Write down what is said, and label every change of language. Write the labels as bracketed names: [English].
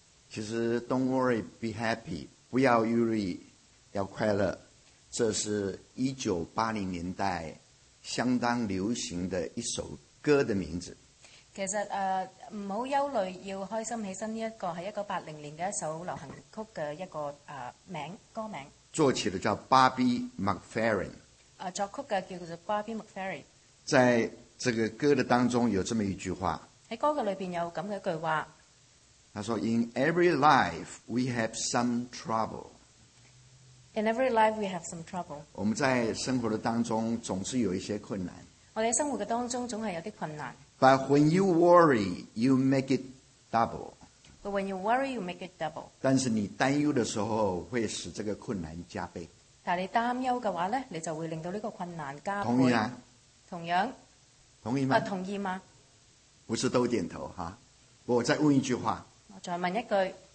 [English] 其实 ，Don't worry, be happy. [Chinese] 不要忧虑，要快乐。这是1980年代相当流行的一首歌的名字。其实，不要忧虑，要开心起身，这个是1980年的一首流行曲的一个名歌名。作曲的叫 Bobby McFerrin。作曲的叫做 Bobby McFerrin。在这个歌的当中有这么一句话。在歌的里面有这么一句话。他说 [English] ,In every life we have some trouble. In every life we have some trouble. [Chinese] 我们在生活的当中总是有一些困难。我们在生活的当中总是有些困难。 [English] But when you worry, you make it double. But when you worry, you make it double. [Chinese] 但是你担忧的时候会使这个困难加倍。但你担忧的话呢你就会令到这个困难加倍。同意啊。同样。同意吗同意吗不是都点头哈。我再问一句话。我再问一句。